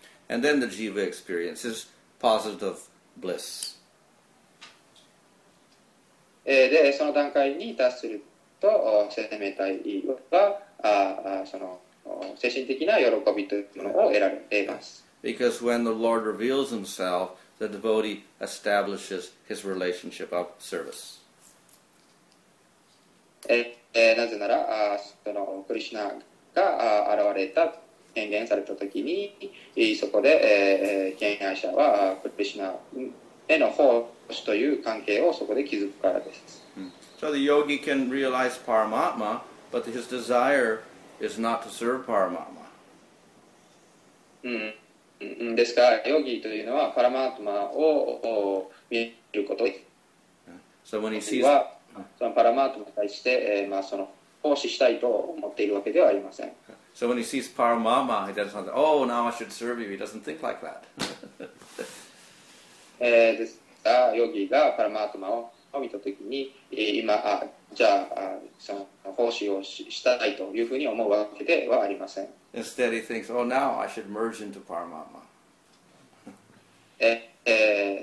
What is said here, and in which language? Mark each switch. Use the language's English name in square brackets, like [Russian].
[English] And then the jiva experiences positive bliss. [Japanese] で、その段階に達すると。と生命体はその精神的な喜びというものを得られます。 [English] Because when the Lord reveals Himself, the devotee establishes his relationship of service. [Japanese] なぜならそのクリシナが現れた顕現された時にそこで顕現者はクリシナへの奉仕という関係をそこで築くからです。 [English] So the yogi can realize Paramatma, but his desire is not to serve Paramatma. [Japanese] ですから、ヨギというのはパラマートマを見ることです。 [English] So when he sees... [Japanese] はそのパラマートマに対して、まあ、その奉仕したいと思っているわけではありません。 [English] So when he sees Paramatma, he doesn't think, oh, now I should serve you. He doesn't think like that. [Japanese] ですから、ヨギがパラマートマを見たときに今じゃあその奉仕をしたいというふうに思うわけではありません。 [English] Instead, he thinks, "Oh, now I should merge into Paramatma."